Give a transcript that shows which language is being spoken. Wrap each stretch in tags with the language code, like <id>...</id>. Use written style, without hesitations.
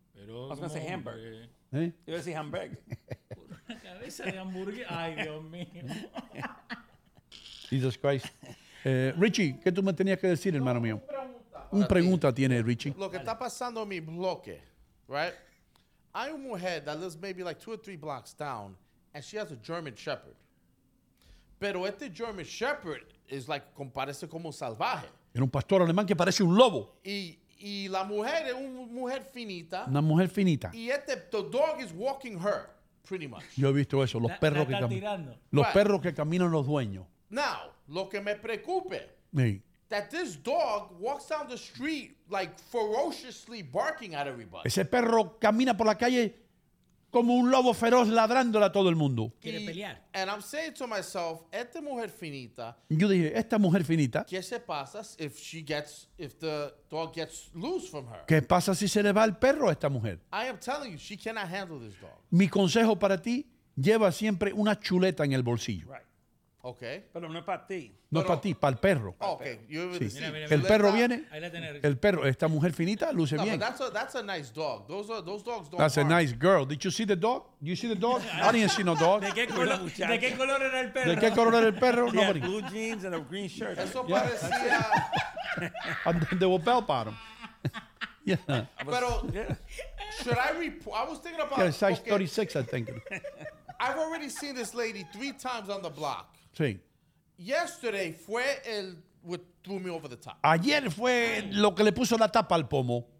<en>Pero I was going to say hamburger.</en> <es>¿Eh? Yo iba a decir hamburger. Por una cabeza de hamburger. Ay, Dios mío.</es> <en>Jesus Christ.</en> <es>Richie, ¿qué tú me tenías que decir, hermano mío? Una pregunta. Una pregunta tiene Richie. Lo que está pasando en mi bloque, right? Hay una mujer</es> <en>that lives maybe like 2 or 3 blocks down, and she has a German Shepherd.</en> <es>Pero este German Shepherd es like, parece como un salvaje. Era un pastor alemán que parece un lobo. Y la mujer es una mujer finita. Una mujer finita.</es> <en>Y este, the dog is walking her, pretty much.</en> <es>Yo he visto eso, los perros que caminan. Los right. perros que caminan los dueños. Now, lo que me preocupa. Sí.</es> <en>That this dog walks down the street, like, ferociously barking at everybody.</en> <es>Ese perro camina por la calle como un lobo feroz ladrándole a todo el mundo. Quiere pelear.</es> <en>And I'm saying to myself,</en> <es>esta mujer finita. Yo dije, esta mujer finita. ¿Qué se pasa</es> <en>if she gets, if the dog gets loose from her?</en> <es>¿Qué pasa si se le va el perro a esta mujer?</es> <en>I am telling you, she cannot handle this dog.</en> <es>Mi consejo para ti, lleva siempre una chuleta en el bolsillo.</es> <en>Right. Okay.</en> <es>Pero no es para ti. No es para ti, para el perro.</es> <en>Oh, okay.</en> <es>You sí. mira, el perro that, viene. El perro, esta mujer finita luce no, bien.</es> <en>That's a nice dog. Those dogs don't. That's harm. A nice girl. Did you see the dog? You see the dog? I didn't see no dog.</en> <es>¿De qué color era el perro? ¿De qué color era el perro?</es> <en>Yeah, blue jeans and a green shirt.</en> <es>Eso parecía.</es> <en>And then there were bell bottom. Yeah. Pero, should I report? I was thinking about. Yeah, size 36, I think. I've already seen this lady 3 times on the block.</en> <es>Sí.</es> <en>Yesterday fue el what threw me over the top.</en> <es>Ayer fue lo que le puso la tapa al pomo.</es>